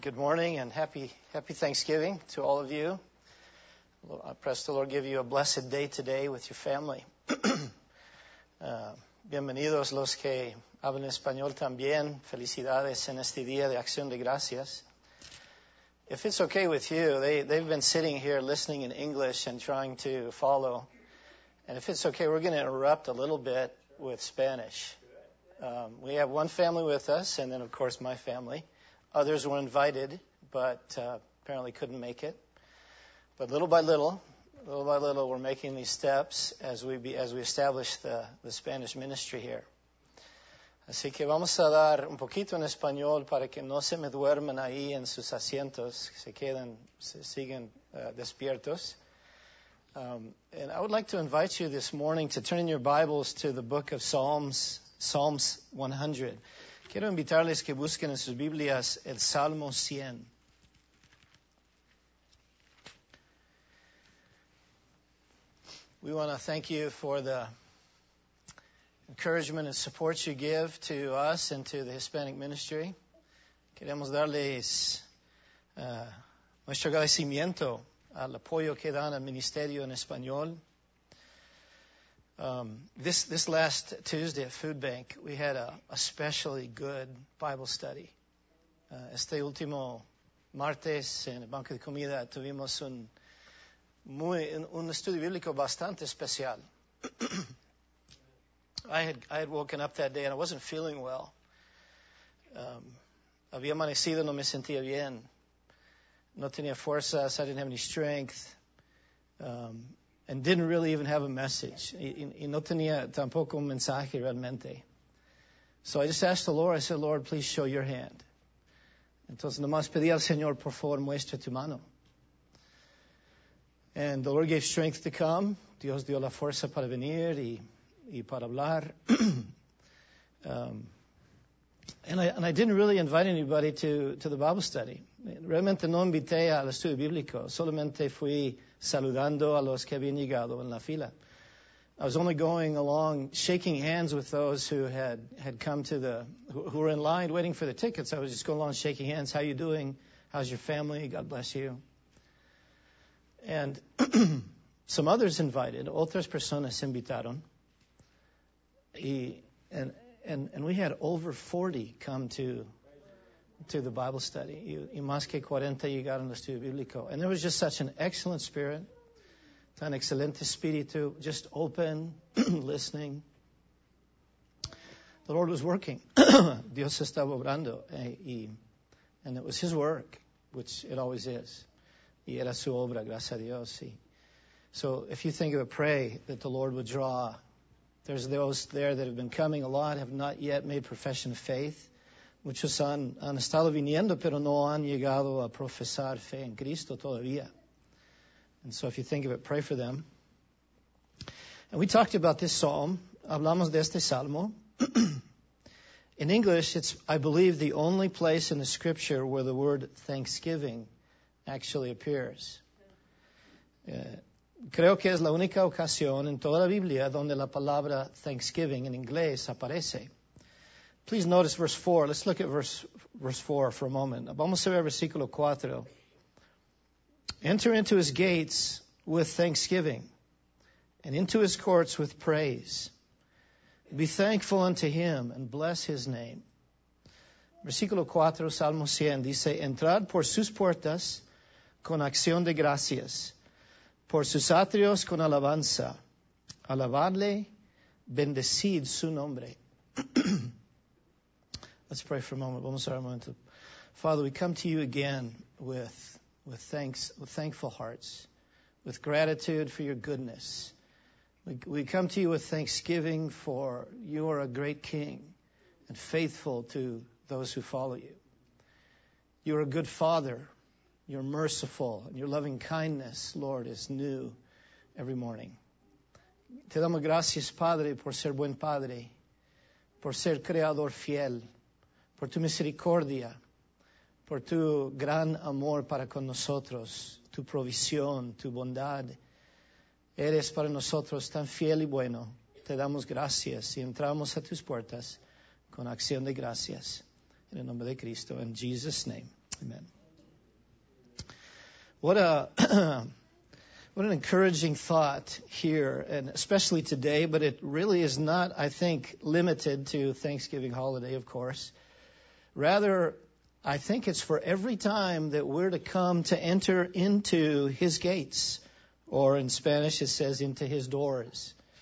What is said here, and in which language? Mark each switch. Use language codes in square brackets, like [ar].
[en] Good morning and happy Thanksgiving to all of you. I press the Lord give you a blessed day today with your family. [es] Bienvenidos los que hablan español también. Felicidades en este día de Acción de Gracias. [en] If it's okay with you, they've been sitting here listening in English and trying to follow. And if it's okay, we're going to interrupt a little bit with Spanish. We have one family with us, and then, of course, my family. Others were invited, but apparently couldn't make it. But little by little, we're making these steps as we establish the Spanish ministry here. [es] Así que vamos a dar un poquito en español para que no se me duerman ahí en sus asientos, que se sigan despiertos. [en] And I would like to invite you this morning to turn in your Bibles to the book of Psalms. Psalms 100. [es] Quiero invitarles que busquen en sus Biblias el Salmo 100. [en] We want to thank you for the encouragement and support you give to us and to the Hispanic ministry. [es] Queremos darles nuestro agradecimiento al apoyo que dan al ministerio en español. [en] This last Tuesday at Food Bank, we had a especially good Bible study. [es] Este último martes en el Banco de Comida tuvimos un estudio bíblico bastante especial. [en] I had woken up that day and I wasn't feeling well. [es] Había amanecido, no me sentía bien. No tenía fuerzas, [en] I didn't have any strength. And didn't really even have a message. [es] Y no tenía tampoco un mensaje realmente. [en] So I just asked the Lord, I said, Lord, please show your hand. [es] Entonces nomás pedí al Señor, por favor, muestra tu mano. [en] And the Lord gave strength to come. [es] Dios dio la fuerza para venir y para hablar. [en] And I didn't really invite anybody to the Bible study. [es] Realmente no invité al estudio bíblico. Solamente fui saludando a los que habían llegado en la fila. [en] I was only going along, shaking hands with those who had come to the, who were in line waiting for the tickets. I was just going along shaking hands. How are you doing? How's your family? God bless you. And some others invited. [es] Otras personas invitaron. [en] And we had over 40 come to the Bible study. [es] Y más que 40 llegaron al estudio bíblico. [en] And there was just such an excellent spirit, [es] tan excelente espíritu, [en] just open, listening. The Lord was working. [es] Dios estaba obrando. [en] And it was His work, which it always is. [es] Y era su obra, gracias a Dios. [en] So if you think of it, pray that the Lord would draw. There's those there that have been coming a lot, have not yet made profession of faith. [es] Muchos han estado viniendo, pero no han llegado a profesar fe en Cristo todavía. [en] And so if you think of it, pray for them. And we talked about this psalm. [es] Hablamos de este salmo. [en] In English, it's, I believe, the only place in the scripture where the word thanksgiving actually appears. [es] Creo que es la única ocasión en toda la Biblia donde la palabra thanksgiving en inglés aparece. [en] Please notice verse 4. Let's look at verse 4 for a moment. [es] Vamos a ver versículo 4. [en] Enter into his gates with thanksgiving and into his courts with praise. Be thankful unto him and bless his name. [es] Versículo 4, Salmo 100, dice, entrad por sus puertas con acción de gracias. Por sus atrios con alabanza, alabadle, bendecid su nombre. [en] Let's pray for a moment. [es] Vamos a orar un momento. [en] Father, we come to you again with thanks, with thankful hearts, with gratitude for your goodness. We come to you with thanksgiving for you are a great king and faithful to those who follow you. You are a good father. You're merciful, and your loving kindness, Lord, is new every morning. [es] Te damos gracias, Padre, por ser buen Padre, por ser creador fiel, por tu misericordia, por tu gran amor para con nosotros, tu provisión, tu bondad. Eres para nosotros tan fiel y bueno. Te damos gracias y entramos a tus puertas con acción de gracias. En el nombre de Cristo, [en] in Jesus' name, amen. What an encouraging thought here, and especially today, but it really is not, I think, limited to Thanksgiving holiday, of course. Rather, I think it's for every time that we're to come to enter into His gates, or in Spanish it says into His doors.